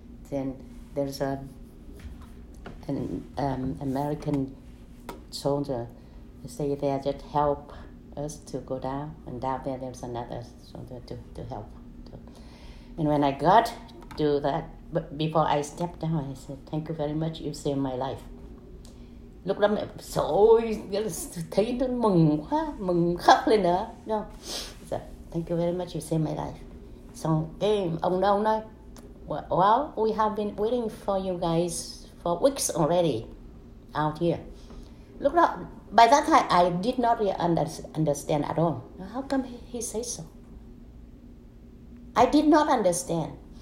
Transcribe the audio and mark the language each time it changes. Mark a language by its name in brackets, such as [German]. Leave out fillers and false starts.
[English] Then there's an American soldier, say they just help us to go down, and down there there's another soldier to help. And when I got to that, but before I stepped down, I said, "Thank you very much. You saved my life." [Vietnamese] Lúc đó mẹ sổ thấy nó mừng quá, mừng khóc lên nữa. [English] No. So, "Thank you very much. You saved my life." So, [Vietnamese] ông nói, [English] "Well, we have been waiting for you guys for weeks already out here." [Vietnamese] Lúc đó, [English] by that time, I did not really understand at all. How come he say so? I did not understand.